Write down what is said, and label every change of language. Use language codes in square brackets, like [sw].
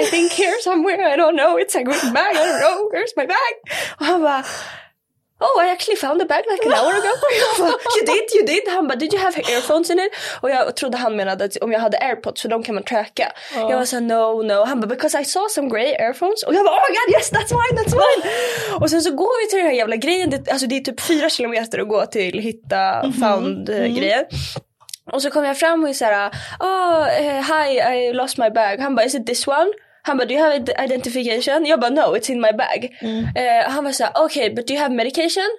[en] I think here somewhere, I don't know. It's a green bag, I don't know. Where's my bag? [sv] Och han bara, [en] oh, I actually found a bag like an hour ago. You did. [sv] Han bara, [en] did you have earphones in it? [sv] Och jag trodde han menade att om jag hade AirPods, för de kan man tracka. Oh. Jag var så här, [en] no. [sv] Han bara, [en] because I saw some grey earphones. [sv] Och jag bara, [en] oh my god, yes, that's mine. [sv] Och sen så går vi till den här jävla grejen. Alltså det är typ 4 kilometer att gå till hitta found-grejen. Och så kom jag fram och såhär, [en] oh, hi, I lost my bag. [sv] Han bara, [en] is it this one? [sv] Han bara, [en] do you have identification? [sv] Jag bara, [en] no, it's in my bag. [sv] Han bara såhär, [en] okay, but do you have medication?